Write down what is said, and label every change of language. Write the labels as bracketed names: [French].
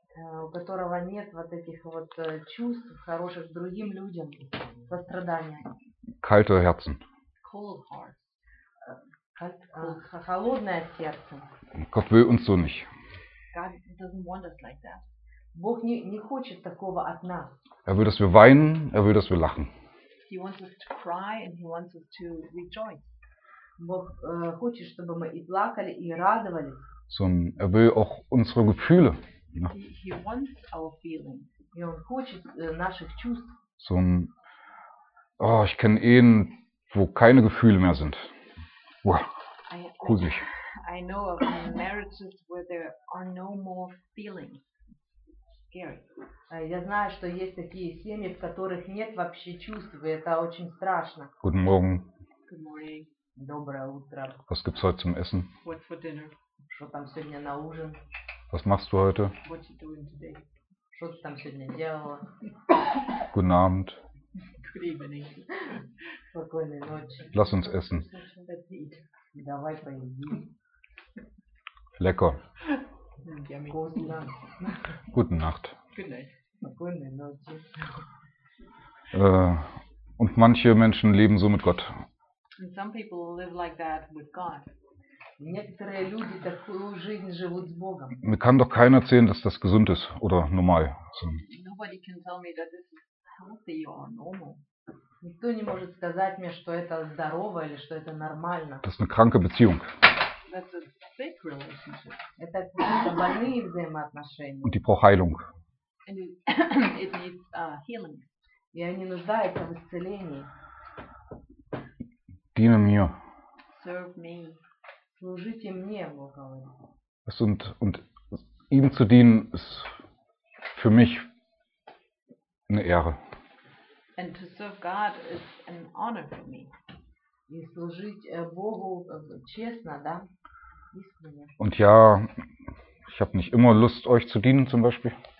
[Russian] У которого нет вот этих вот чувств хороших другим людям, сострадания. [German] Kalte Herzen. [English] Cold hearts. [Russian] Холодное сердце. [German] Gott will uns so nicht. [English] God doesn't want us like that. [Russian] Бог не хочет такого от нас. [German] Er will, dass wir weinen, er will, dass wir lachen. [English] He wants us to cry and he wants us to rejoice. [Russian] Бог хочет, чтобы мы и плакали, и радовались. [German] So, er will auch unsere Gefühle. [English] No. He wants our feeling. [Russian] И он хочет наших чувств. [German] So, oh, ich kenne Ehen, wo keine Gefühle mehr sind. Wow, gruselig. [English] I know of marriages where there are no more feelings. Scary. [Russian] Я знаю, что есть такие семьи, в которых нет вообще чувств, и это очень страшно. [German] Guten Morgen. [English] Good morning. [Russian] Доброе утро. [German] Was gibt's heute zum Essen? [English] What's for dinner? [Russian] Что там сегодня на ужин? [German] Was machst du heute? [English] What you doing today? [Russian] Что ты там сегодня делала? [German] Guten Abend. [English] Good evening. [Russian] Спокойной ночи. [German] Lass uns essen. [Russian] Давай поедим. [German] Lecker. [English] Yummy. [German] Großen Dank. Guten Nacht. [English] Good night. [Russian] Спокойной ночи. [German] Und manche Menschen leben so mit Gott. [English] And some people live like that with God. [Russian] Некоторые люди такую жизнь живут с Богом. [German] Мне kann doch keiner erzählen, dass das gesund ist oder normal. [English] Nobody can tell me that this is healthy or normal. [Russian] Никто не может сказать мне, что это здорово или что это нормально. [German] Das ist eine kranke Beziehung. [English] That's a sick relationship. [Russian] Это какие-то больные взаимоотношения. [German] Und die braucht Heilung. [English] And it needs healing. [Russian] И они нуждаются в исцелении. [German] Diene mir. [English] Serve me. [Russian] Служите мне, Бог говорит. [German] Und ihm zu dienen ist für mich eine Ehre. [English] And to serve God is an honor for me. [Russian] И служить Богу честно, да? [German] Und ja, ich habe nicht immer Lust, euch zu dienen, zum Beispiel.